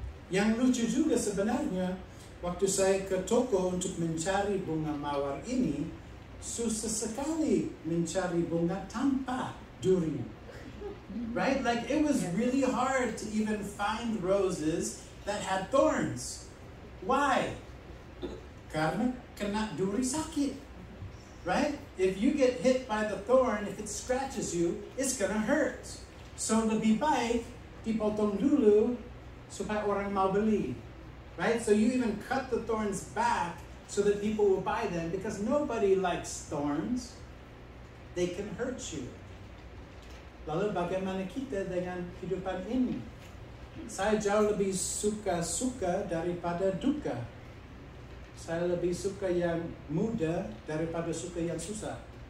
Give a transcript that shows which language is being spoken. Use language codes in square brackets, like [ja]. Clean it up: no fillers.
[id] Yang lucu juga sebenarnya, waktu saya ke toko untuk mencari bunga mawar ini, susah sekali mencari bunga tanpa duri. [en] Right? Like, it was really hard to even find roses that had thorns. Why? [id] Karena kena duri sakit. [en] Right? If you get hit by the thorn, if it scratches you, it's gonna hurt. [id] So lebih baik dipotong dulu supaya orang mau beli. [en] Right? So you even cut the thorns back so that people will buy them, because nobody likes thorns. They can hurt you. [id] Lalu bagaimana kita dengan kehidupan ini? Saya jauh lebih suka-suka daripada duka. Saya lebih suka yang muda daripada suka yang susah.